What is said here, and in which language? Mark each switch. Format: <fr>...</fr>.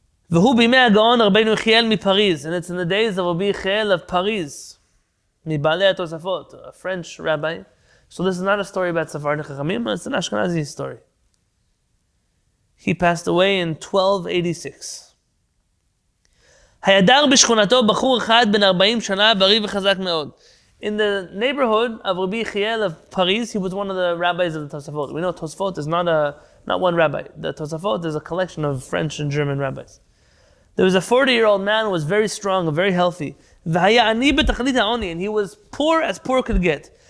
<he>והוא בימי הגאון רבינו יחיאל מפריז,</he> <en>and it's in the days of Rabbi Yechiel of Paris,</en> <he>מבעלי התוספות,</he> <en>a French rabbi. So this is not a story about Sephardi Chachamim, it's an Ashkenazi story. He passed away in 1286.</en> <he>הידר בשכונתו בחור אחד בן 40 שנה בריא וחזק מאוד.</he> <en>In the neighborhood of Rabbi Yechiel of Paris, he was one of the rabbis of the Tosafot. We know Tosafot is not one rabbi. The Tosafot is a collection of French and German rabbis. There was a 40-year-old man who was very strong, very healthy. And he was poor as poor could get.</en>